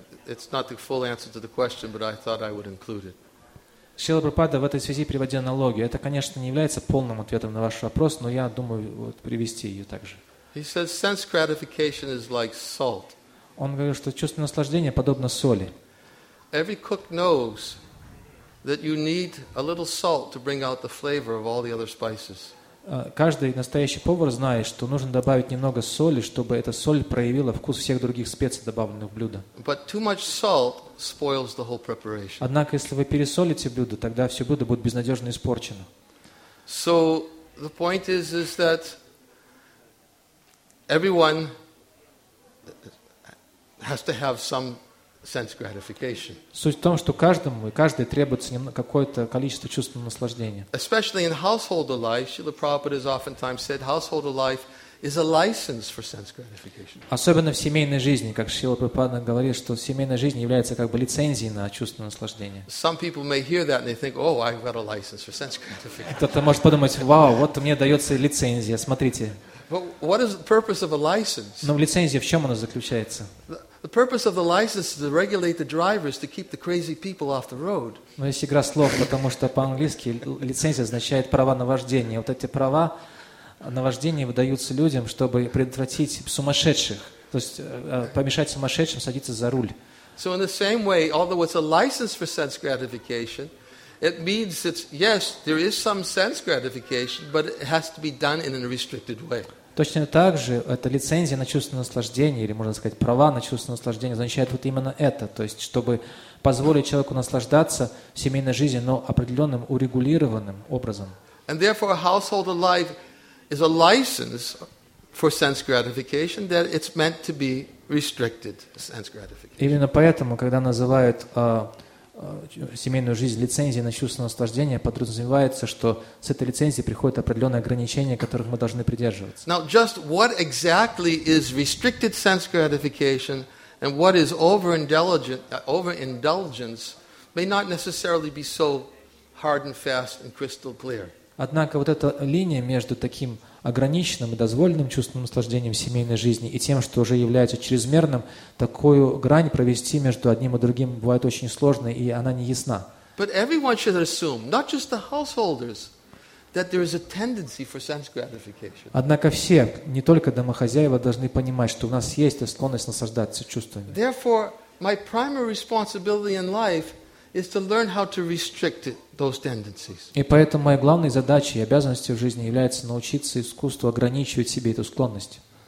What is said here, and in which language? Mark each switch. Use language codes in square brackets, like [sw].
[en] It's not the full answer to the question, but I thought I would include it. [ru] Шрила Прабхупада в этой связи приводил аналогию. Это, конечно, не является полным ответом на ваш вопрос, но я думаю вот, привести ее также. [en] He says, sense gratification is like salt. [ru] Он говорит, что чувство наслаждения подобно соли. [en] Every cook knows that you need a little salt to bring out the flavor of all the other spices. [ru] Каждый настоящий повар знает, что нужно добавить немного соли, чтобы эта соль проявила вкус всех других специй, добавленных в блюдо. [en] But too much salt spoils the whole preparation. [ru] Однако, если вы пересолите блюдо, тогда все блюдо будет безнадежно испорчено. [en] So the point is that everyone has to have some sense gratification. [ru] Суть в том, что каждому и каждой требуется какое-то количество чувственного наслаждения. [en] Especially in householder life, Srila Prabhupada has oftentimes said, householder life is a license for sense gratification. [ru] Особенно в семейной жизни, как Шрила Прабхупада говорит, что семейная жизнь является как бы лицензией на чувственное наслаждение. [en] Some people may hear that and they think, "Oh, I've got a license for sense gratification." [ru] Кто-то может подумать: "Вау, вот мне дается лицензия, смотрите." [en] But what is the purpose of a license? [ru] Но в лицензии в чем она заключается? [en] The purpose of the license is to regulate the drivers to keep the crazy people off the road. [ru] Но есть игра слов, потому что по-английски лицензия означает права на вождение. Вот эти права на вождение выдаются людям, чтобы предотвратить сумасшедших, то есть помешать сумасшедшим садиться за руль. [en] So in the same way, although it's a license for sense gratification, it means that yes, there is some sense gratification, but it has to be done in a restricted way. [ru] Точно так же эта лицензия на чувственное наслаждение, или можно сказать права на чувственное наслаждение, означает вот именно это. То есть, чтобы позволить человеку наслаждаться семейной жизнью, но определенным урегулированным образом. [en] And therefore, a householder life is a license for sense gratification, that it's meant to be restricted sense gratification. [ru] Именно поэтому, когда называют семейную жизнь лицензией на чувственное наслаждение, подразумевается, что с этой лицензией приходят определенные ограничения, которых мы должны придерживаться. [en] Now, just what exactly is restricted sense gratification and what is overindulgence may not necessarily be so hard and fast and crystal clear. [ru] Однако вот эта линия между таким ограниченным и дозволенным чувственным наслаждением семейной жизни и тем, что уже является чрезмерным, такую грань провести между одним и другим бывает очень сложно, и она не ясна. [en] But everyone should assume, not just the householders, that there is a tendency for sense gratification. [ru] Однако все, не только домохозяева, должны понимать, что у нас есть склонность наслаждаться чувствами. [en] Therefore, my primary responsibility in life is to learn how to restrict it. [ru] И поэтому моей главной задачей и обязанностью в жизни является научиться искусству ограничивать себе эту склонность.